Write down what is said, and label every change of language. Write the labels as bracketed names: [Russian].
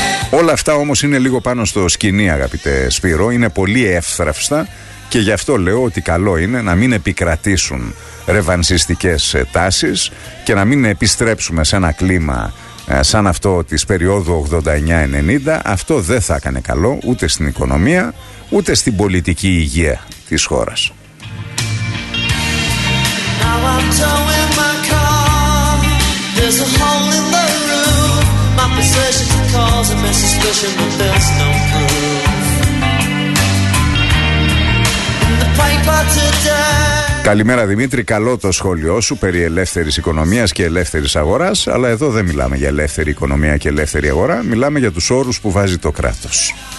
[Greek] Όλα αυτά όμως είναι λίγο πάνω στο σκηνή, αγαπητέ Σπύρο, είναι πολύ εύθραυστα και γι' αυτό λέω ότι καλό είναι να μην επικρατήσουν ρεβανσιστικές τάσεις και να μην επιστρέψουμε σε ένα κλίμα σαν αυτό της περίοδου 89-90. Αυτό δεν θα έκανε καλό ούτε στην οικονομία ούτε στην πολιτική υγεία της χώρας. [English] I'm towing my car. There's a hole in the roof. My possessions are causing me suspicion, but there's no proof. And the paper today. [Greek] Καλημέρα Δημήτρη, καλό το σχόλιο σου περί ελεύθερης οικονομίας και ελεύθερης αγοράς, αλλά εδώ δεν μιλάμε για ελεύθερη οικονομία και ελεύθερη αγορά, μιλάμε για τους όρους που βάζει το κράτος.